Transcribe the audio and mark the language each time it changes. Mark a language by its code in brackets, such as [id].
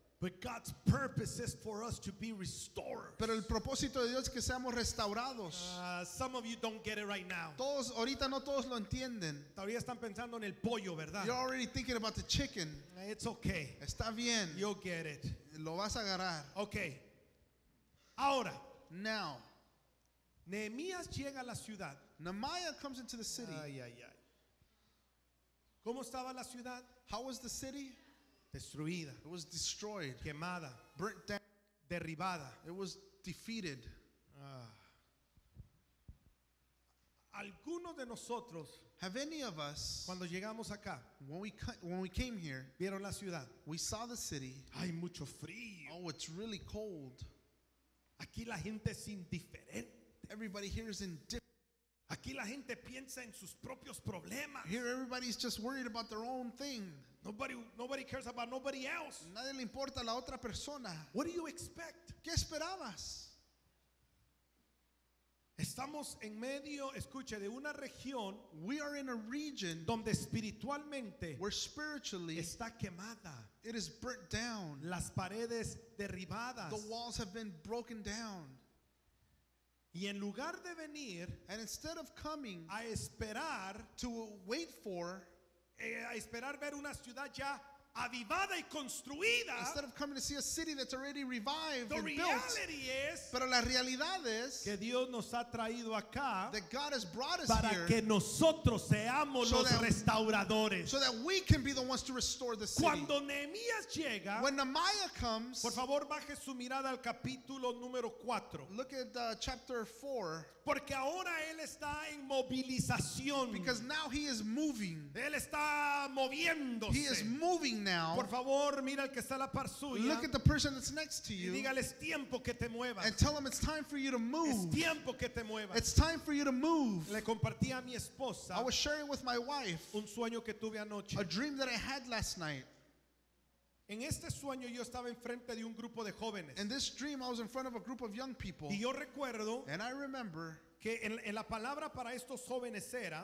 [en] But God's purpose is for us to be restored. [es] Pero el propósito de Dios es que seamos restaurados. [en] Some of you don't get it right now. [es] Todos ahorita no todos lo entienden. Todavía están pensando en el pollo, ¿verdad? [en] You're already thinking about the chicken. It's okay. [es] Está bien. [en] You'll get it. [es] Lo vas a agarrar. Okay. Ahora. [en] Now. [es] Nehemías llega a la ciudad. [en] Nehemiah comes into the city. [es] Ay, ay, ay. ¿Cómo estaba la ciudad? [en] How was the city? [es] Destruida. [en] It was destroyed. [es] Quemada. [en] Burnt down. [es] Derribada. [en] It was defeated. [es] Algunos de nosotros, [en] have any of us, [es] cuando llegamos acá, [en] when we came here, [es] vieron la ciudad. [en] We saw the city. [es] Hay mucho frío. [en] Oh, it's really cold. [es] Aquí la gente es indiferente. [en] Everybody here is indifferent. [es] Aquí la gente piensa en sus propios problemas. [en] Here everybody's just worried about their own thing. Nobody cares about nobody else. [es] Nadie le importa a la otra persona. [en] What do you expect? [es] ¿Qué esperabas? Estamos en medio, escuche, de una región, [en] we are in a region [es] donde espiritualmente, [en] where spiritually, [es] está quemada. [en] It is burnt down. [es] Las paredes derribadas. [en] The walls have been broken down. [es] Y en lugar de venir, [en] and instead of coming, [es] a esperar, [en] to wait for, [es] a esperar ver una ciudad ya avivada y construida, [en] instead of coming to see a city that's already revived and the reality is, [es] pero la realidad es, que Dios nos ha traído acá, [en] that God has brought us [es] para [en] here, [es] que nosotros seamos [en] so los that, [es] restauradores, [en] so that we can be the ones to restore the city. [es] Cuando Nehemías llega, [en] when Nehemiah comes, [es] por favor baje su mirada al capítulo número 4, [en] look at chapter 4, [es] porque ahora él está en movilización, [en] because now he is moving, [es] él está moviéndose, [en] he is moving. Now, [es] por favor, mira el que está a la par suya. [en] Look at the person that's next to you. [es] Y dígale, es tiempo que te muevas. [en] And tell them it's time for you to move. [es] Es tiempo que te muevas. [en] It's time for you to move. [es] Le compartí a mi esposa. [en] I was sharing with my wife. [es] Un sueño que tuve anoche. [en] A dream that I had last night. [es] En este sueño yo estaba enfrente de un grupo de jóvenes. [en] In this dream I was in front of a group of young people. [es] Y yo recuerdo. [en] And I remember. [es] Que en la palabra para estos jóvenes era